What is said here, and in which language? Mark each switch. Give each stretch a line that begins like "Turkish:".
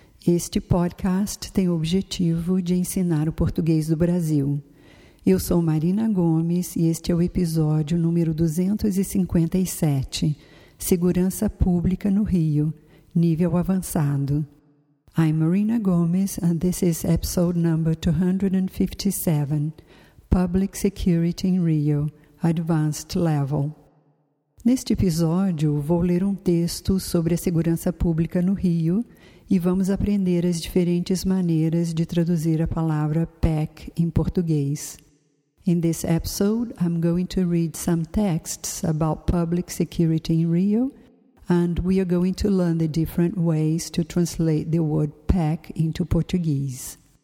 Portuguese: Este podcast tem o objetivo de ensinar o português do Brasil. Eu sou Marina Gomes e este é o episódio número 257, Segurança Pública no Rio, Nível Avançado.
English: I'm Marina Gomes and this is episode number 257, Public Security in Rio, Advanced Level.
Portuguese: Neste episódio, vou ler um texto sobre a segurança pública no Rio e vamos aprender as diferentes maneiras de traduzir a palavra PEC em português.
English: In this episode, I'm going to read some texts about public security in Rio, and we are going to learn the different ways to translate the word PEC into Portuguese.